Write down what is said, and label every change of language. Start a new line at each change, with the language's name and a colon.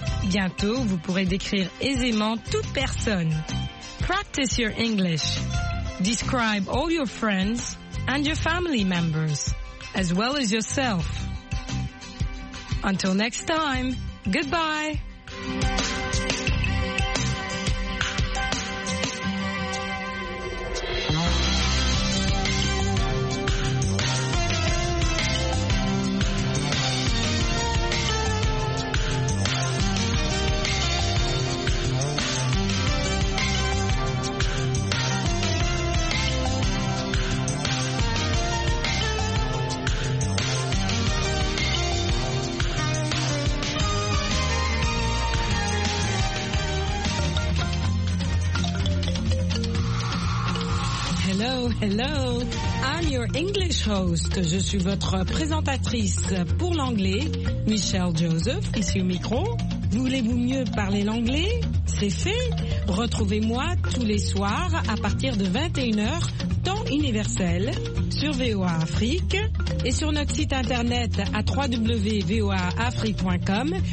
French: Bientôt, vous pourrez décrire aisément toute personne.
English: Practice your English. Describe all your friends and your family members, as well as yourself. Until next time, goodbye. Hello, I'm your English host.
French: Je suis votre présentatrice pour l'anglais, Michelle Joseph, ici au micro. Voulez-vous mieux parler l'anglais? C'est fait. Retrouvez-moi tous les soirs à partir de 21h, temps universel, sur VOA Afrique et sur notre site internet à www.voaafrique.com.